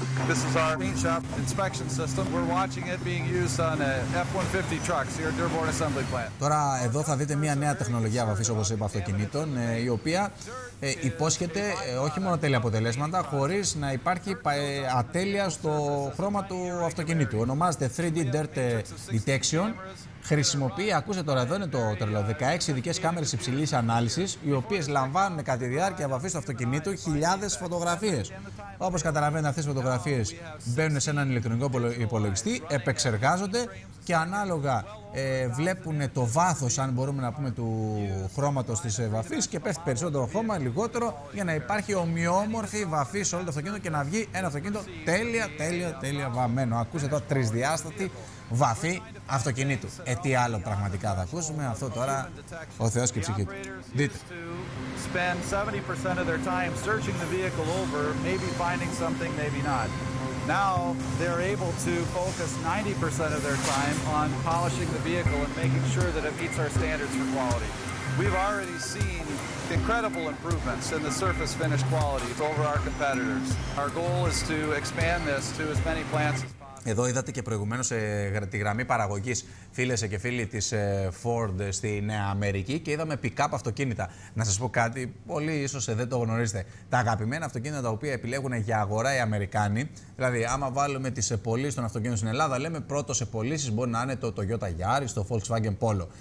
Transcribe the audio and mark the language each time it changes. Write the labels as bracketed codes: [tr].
[en] This is our paint shop inspection system. We're watching it being used on a F-150 truck here at Dearborn Assembly Plant. [el] Τώρα εδώ θα δείτε μια νέα τεχνολογία βαφής, όπως είπα, αυτοκινήτων, η οποία υπόσχεται όχι μόνο τέλεια αποτελέσματα, χωρίς να υπάρχει ατέλεια στο χρώμα του αυτοκινήτου. Ονομάζεται 3D Dirt Detection. Χρησιμοποιεί, ακούστε τώρα, εδώ είναι το τρελό, 16 ειδικές κάμερες υψηλής ανάλυσης, οι οποίες λαμβάνουν κατά τη διάρκεια βαφής του αυτοκινήτου χιλιάδες φωτογραφίες. Όπως καταλαβαίνετε, αυτές οι φωτογραφίες μπαίνουν σε έναν ηλεκτρονικό υπολογιστή, επεξεργάζονται και ανάλογα βλέπουν το βάθος, αν μπορούμε να πούμε, του χρώματος της βαφής και πέφτει περισσότερο χρώμα, λιγότερο, για να υπάρχει ομοιόμορφη βαφή σε όλο το αυτοκίνητο και να βγει ένα αυτοκίνητο τέλεια, τέλεια, τέλεια βαμμένο. Ακούστε τώρα, τρισδιάστατη βαφή αυτοκινήτου. Τι άλλο πραγματικά θα ακούσουμε, αυτό τώρα ο Θεός και η ψυχή του. Δείτε. [en] Spend 70% of their time searching the vehicle over, maybe finding something, maybe not. Now they're able to focus 90% of their time on polishing the vehicle and making sure that it meets our standards for quality. We've already seen incredible improvements in the surface finish quality over our competitors. Our goal is to expand this to as many plants as possible. [el] Εδώ είδατε και προηγουμένως τη γραμμή παραγωγής, φίλες και φίλοι, της Ford στη Νέα Αμερική και είδαμε pick-up αυτοκίνητα. Να σας πω κάτι, πολλοί ίσως δεν το γνωρίζετε. Τα αγαπημένα αυτοκίνητα τα οποία επιλέγουν για αγορά οι Αμερικάνοι, δηλαδή άμα βάλουμε τις πωλήσεις των αυτοκίνητων στην Ελλάδα, λέμε πρώτο σε πωλήσεις μπορεί να είναι το Toyota Yaris, το Volkswagen Polo.